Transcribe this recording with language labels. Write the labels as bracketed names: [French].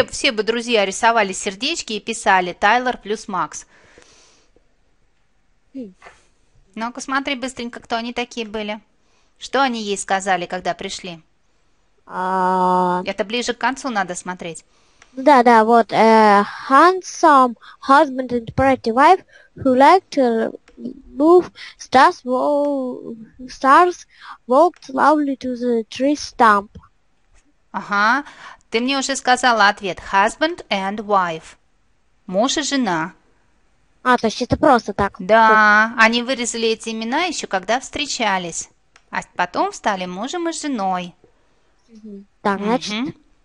[Russian] Все бы друзья рисовали сердечки и писали Тайлер плюс Макс. Ну-ка, смотри быстренько, кто они такие были. Что они ей сказали, когда пришли? Это ближе к концу надо смотреть. Да-да, вот. [English] Handsome husband and pretty wife who like to move stars walked lovely to the tree stump. [Russian] Ага, ты мне уже сказала ответ. [English] Husband and wife. [Russian] Муж и жена. А, то есть это просто так? Да, они вырезали эти имена еще когда встречались. А потом стали мужем и женой. Так, значит...